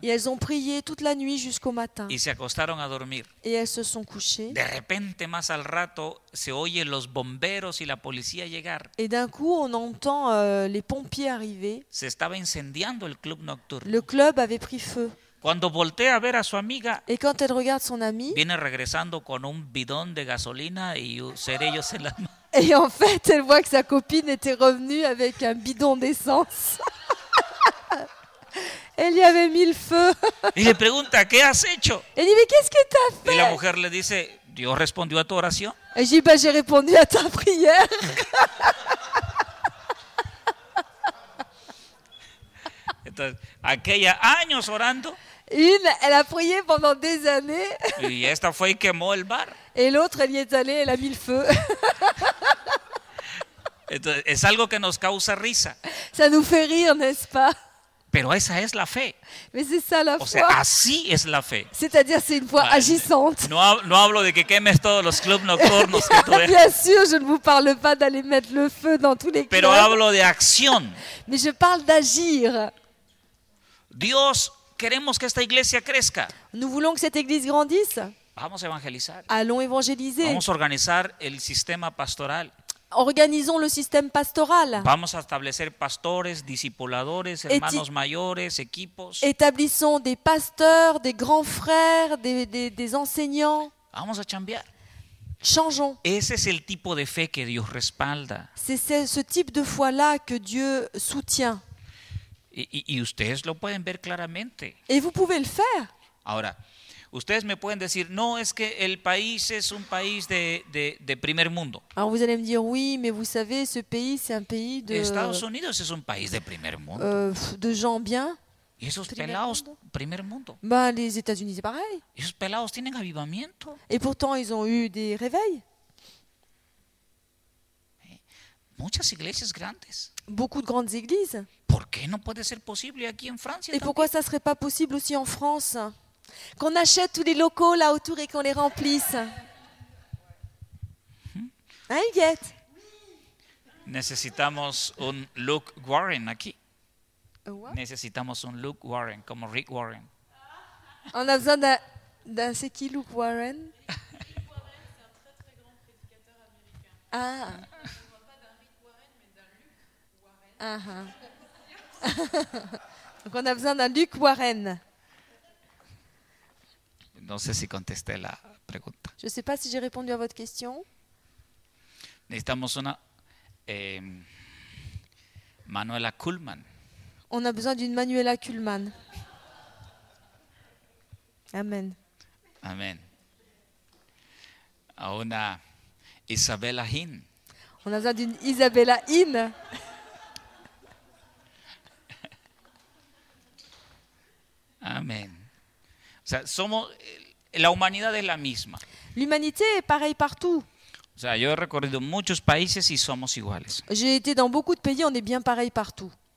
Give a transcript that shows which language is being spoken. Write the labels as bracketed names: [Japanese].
[French] Et elles ont prié toute la nuit jusqu'au matin. [Spanish] Y se acostaron a dormir. [French] Et elles se sont couchées. [Spanish] De repente más al rato se oye los bomberos y la policía llegar. [French] Et d'un coup on entend les pompiers arriver. [Spanish] Se estaba incendiando el club nocturno. [French] Le club avait pris feu. [Spanish] Cuando voltea a ver a su amiga, [French] et quand elle regarde son amie, [Spanish] viene regresando con un bidón de gasolina y cerillos en la mano. [French] Et en fait, elle voit que sa copine était revenue avec un bidon d'essence. Elle y avait mis le feu. [Spanish] Y le pregunta, ¿qué has hecho? [French] Elle dit, mais qu'est-ce que t'as fait? [Spanish] Y la mujer le dice, Dios respondió a tu oración. [French] Et dit, bah, j'ai répondu à ta prière. [Spanish] Entonces, aquella años orando. [French] Elle a prié pendant des années. [Spanish] Y esta fue y quemó el bar. [French] Et l'autre, elle y est allée, elle a mis le feu. [Spanish] Entonces, es algo que nos causa risa. [French] Ça nous fait rire, n'est-ce pas? [Spanish] Pero esa es la fe. [French] Mais c'est ça la foi. [Spanish] O sea, así es la fe. [French] C'est-à-dire, c'est une foi agissante. [Spanish] No hablo de que quemes todos los clubs nocturnos. [French] Bien sûr, je ne vous parle pas d'aller mettre le feu dans tous les clubs. [Spanish] Pero hablo de acción. [French] Mais je parle d'agir. [Spanish] Dios, queremos que esta iglesia crezca. [French] Nous voulons que cette église grandisse. [Spanish] Vamos a evangelizar. [French] Allons évangéliser. [Spanish] Vamos a organizar el sistema pastoral. [French] Organisons le système pastoral. [Spanish] Vamos a establecer pastores, discipuladores, hermanos mayores, equipos. [French] Établissons des pasteurs, des grands frères, des enseignants. [Spanish] Vamos a chambear. [French] Changeons. [Spanish] Ese es el tipo de fe que Dios respalda. [French] C'est ce type de foi là que Dieu soutient. [Spanish] Y ustedes lo pueden ver claramente. [French] Et vous pouvez le faire. [Spanish] Ahora, ustedes me pueden decir, no, es que el país es un país de primer mundo. [French] Alors vous allez me dire, oui, mais vous savez, ce pays, c'est un pays de... [Spanish] Estados Unidos es un país de primer mundo. [French] De gens bien. [Spanish] Y esos pelados, primer mundo. [French] Bah, les États-Unis, c'est pareil. [Spanish] Esos pelados tienen avivamiento. [French] Et pourtant, ils ont eu des réveils. [Spanish] Muchas iglesias grandes. [French] Beaucoup de grandes églises. [Spanish] ¿Por qué no puede ser posible aquí en Francia? [French] Et pourquoi ça serait pas possible aussi en France? Qu'on achète tous les locaux là autour et qu'on les remplisse. Hein, Huguette? [Spanish] Necesitamos un Luke Warren aquí. [English] What? [Spanish] Necesitamos un Luke Warren, [French] comme Rick Warren. On a besoin d'un c'est qui Luke Warren? Rick Warren, c'est un très grand prédicateur américain. On ne voit pas d'un Rick Warren, mais d'un Luke Warren. Ah. Donc on a besoin d'un Luke Warren. [Spanish] No sé si contesté la pregunta. [French] Je ne sais pas si j'ai répondu à votre question. [Spanish] Necesitamos una Manuela Kuhlman. [French] On a besoin d'une Manuela Kuhlman. Amen. [Spanish] Amen. A una Isabella Hin. [French] On a besoin d'une Isabella Hin. Amen. [Spanish] O sea, somos la humanidad es la misma. [French] L'humanité est pareille partout. [Spanish] O sea, yo he recorrido muchos países y somos iguales. [French] J'ai été dans beaucoup de pays, on est bien pareil partout.